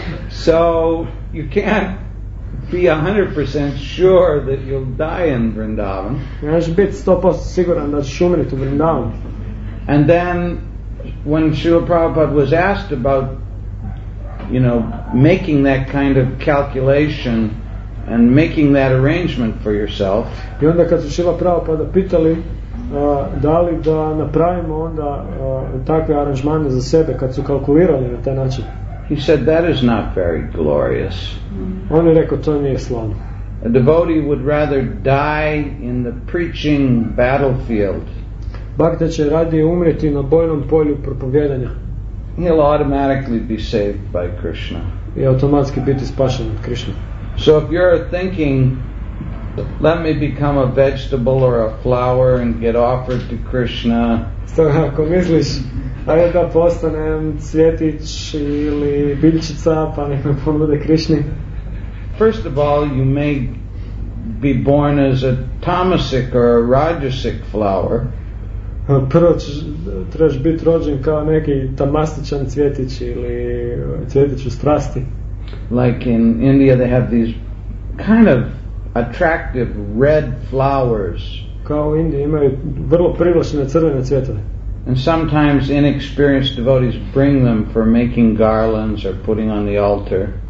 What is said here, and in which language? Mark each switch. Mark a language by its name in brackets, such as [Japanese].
[English] So, you can't be 100% sure that you'll die in Vrindavan. [Croatian] Možeš biti 100% siguran da ćeš umriti u Vrindavan. [English] And then, when Srila Prabhupada was asked about, you know, making that kind of calculation and making that arrangement for yourself. [Croatian] I onda kad su Srila Prabhupada pitali da li da napravimo onda takve aranžmane za sebe, kad su kalkulirali na taj način. [English] He said, that is not very glorious. [Croatian] On je rekao, to nije slavno. [English] A devotee would rather die in the preaching battlefield. [Croatian] Bhakta će radije umreti na bojnom polju propovjedanja. [English] He'll automatically be saved by Krishna. [Croatian] I automatski biti spašen od Krishna. [English] So if you're thinking, let me become a vegetable or a flower and get offered to Krishna. [Croatian] Stoga ako misliš, ajde da postanem cvjetić ili biljčica pa nek me ponude Krishni. [English] First of all, you may be born as a tamasic or a rajasic flower. [Croatian] Prvo trebaš biti rođen kao neki tamastičan cvjetić ili cvjetić u strasti. [English] like in India they have these kind of attractive red flowers. [Croatian] Kao Indija imaju vrlo privlačne crvene cvjetove. [English] And sometimes inexperienced devotees bring them for making garlands or putting on the altar.